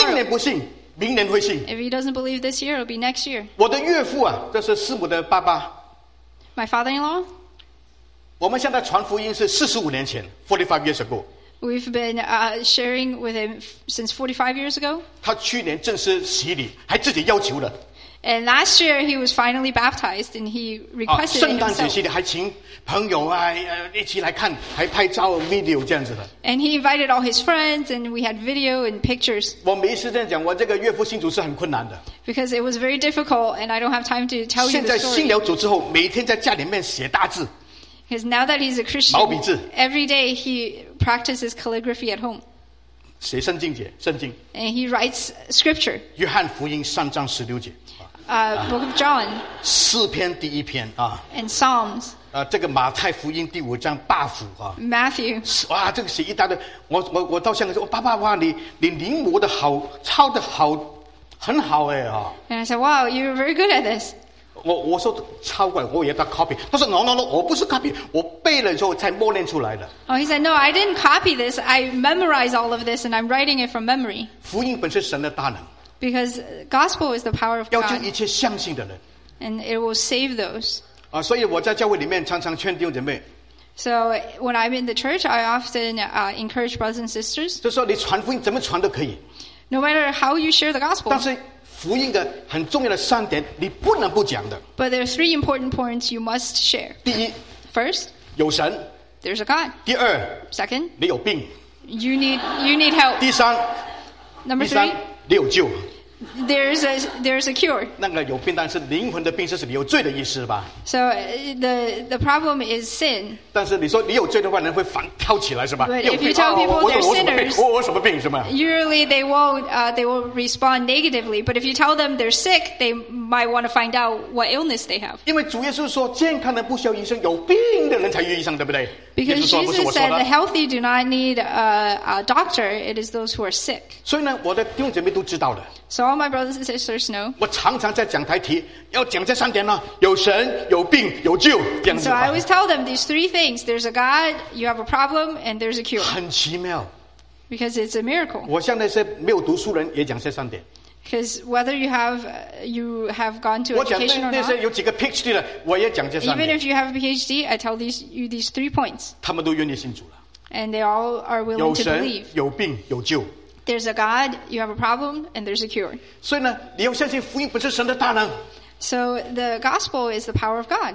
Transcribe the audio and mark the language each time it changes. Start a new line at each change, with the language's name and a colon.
Chinese: 他今年不信,明年会信。
English: If he doesn't believe this year, it'll be next year.
Chinese: 我的岳父啊，这是师母的爸爸。
English: My father-in-law.
Chinese: 我们向他传福音是45年前 ，
English: 45 years ago. We've been sharing with him since 45 years ago.
Chinese: 他去年正式洗礼，还自己要求了。
English: And last year he was finally baptized, and he requested himself.
Chinese: 圣诞节系列还请朋友啊一起来看，还拍照 video 这样子的。
English: And he invited all his friends, and we had video and pictures.
Chinese: 我每一次这样讲，我这个岳父信主是很困难的。
English: Because it was very difficult, and I don't have time to tell you the story.
Chinese: 现在信了主之后，每天在家里面写大字。
English: Because now that he's a Christian,
Chinese: 毛笔字。
English: Every day he practices calligraphy at home.
Chinese: 写圣经节，圣经。
English: And he writes scripture.
Chinese: 约翰福音3:16。
English: Book of John.
Chinese: 4篇第1篇
English: And Psalms.
Chinese: 这个马太福音5:8
English: Matthew.
Chinese: 哇，这个写一大堆。我到香港说，爸爸哇，你临摹的好，抄的好，很好哎啊。
English: And I said, Wow, you're very good at this.
Chinese: 我说抄过来，我也要 copy. 他说 No, 我不是 copy, 我背了之后才默念出来的。
English: Oh, he said, No, I didn't copy this. I memorized all of this, and I'm writing it from memory.
Chinese: 福音本是神的大能。
English: Because gospel is the power of God.
Chinese: 要救一切相信的人。
English: And it will save those.
Chinese: 所以我在教会里面常常劝弟兄姐妹。
English: So when I'm in the church, I often encourage brothers and sisters.
Chinese: 就说你传福音怎么传都可以。
English: No matter how you share the gospel.
Chinese: 但是福音的很重要的3点，你不能不讲的。
English: But there are 3 important points you must share.
Chinese: 第一。
English: First.
Chinese: 有神。
English: There's a God.
Chinese: 第二。
English: Second.
Chinese: 你有病。
English: You need help.
Chinese: 第三。
English: Number 3。
Chinese: 你有救。
English: There's a cure.
Chinese: 那个有病，但是灵魂的病，就是你有罪的意思吧
English: ？So the problem is sin.
Chinese: 但是你说你有罪的话，人会反跳起来是吧
English: ？But if you tell people they're sinners,
Chinese: 我什么病是吗
English: ？Usually they will respond negatively. But if you tell them they're sick, they might want to find out what illness they have.
Chinese: 因为主耶稣说，健康的不需要医生，有病的人才有医生，对不对
English: ？Because Jesus said the healthy do not need a doctor; it is those who are sick.
Chinese: 所以呢，我的弟兄姐妹都知道的。
English: So all my brothers and sisters know.
Chinese: 我常常在讲台提，要讲这3点呢，有神，有病，有救，这样子。
English: So I always tell them these 3 things. There's a God, you have a problem, and there's a cure.
Chinese: 很奇妙。
English: Because it's a miracle.
Chinese: 我向那些没有读书人也讲这3点。
English: Because whether you have gone to education or not.
Chinese: 我讲那些有几个 PhD 的，我也讲这3点。
English: Even if you have a PhD, I tell you these 3 points.
Chinese: 他们都愿意信主了。
English: And they all are willing to believe.
Chinese: 有神，有病，有救。
English: There's a God, you have a problem, and there's a cure.
Chinese: 所以呢，你要相信福音本是神的大能。
English: So the gospel is the power of God.